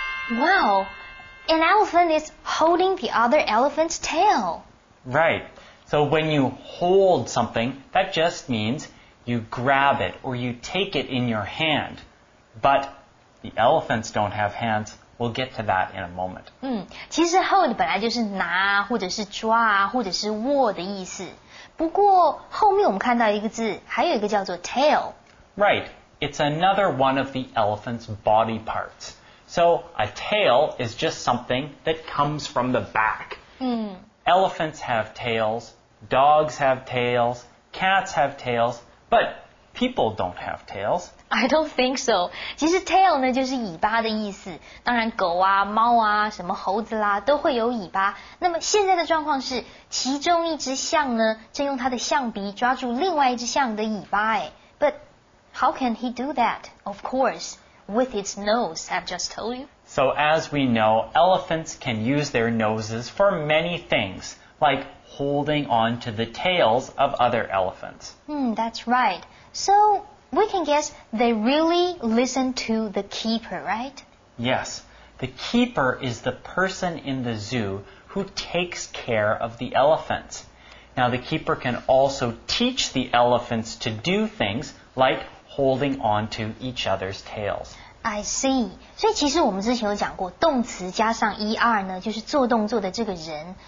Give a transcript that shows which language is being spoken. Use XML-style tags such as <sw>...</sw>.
<en>Wow, an elephant is holding the other elephant's tail. Right, so when you hold something, that just means you grab it or you take it in your hand. But the elephants don't have hands. We'll get to that in a moment.</en> <zh>其实 hold 本来就是拿或者是抓或者是握的意思。不过后面我们看到一个字，还有一个叫做 tail.</zh> <en>Right, it's another one of the elephant's body parts. So, a tail is just something that comes from the back. Elephants have tails, dogs have tails, cats have tails, but people don't have tails. I don't think so.</en> <zh>其实 tail 呢就是尾巴的意思。当然狗啊、猫啊、什么猴子啦都会有尾巴。那么现在的状况是其中一只象呢正用它的象鼻抓住另外一只象的尾巴。</zh> <en>But how can he do that? Of course. With its nose, I've just told you. So as we know, elephants can use their noses for many things, like holding on to the tails of other elephants. That's right. So we can guess they really listen to the keeper, right? Yes. The keeper is the person in the zoo who takes care of the elephants. Now the keeper can also teach the elephants to do things like... holding on to each other's tails. I see.</en> <zh>所以其实我们之前有讲过动词加上 ER 呢就是做动作的这个人。</zh>